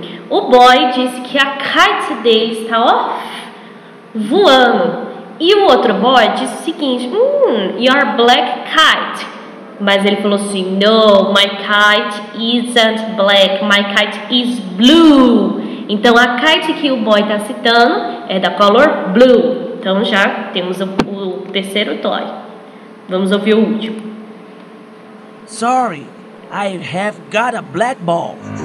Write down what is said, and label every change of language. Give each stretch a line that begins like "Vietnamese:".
Portuguese: O boy disse que a kite dele está voando. E o outro boy disse o seguinte,
English: your black kite.
Portuguese: Mas ele falou assim,
English: no, my kite isn't black, my kite is blue.
Portuguese: Então a kite que o boy está citando é da color blue. Então já temos o terceiro toy. Vamos ouvir o último.
English: Sorry, I have got a black ball.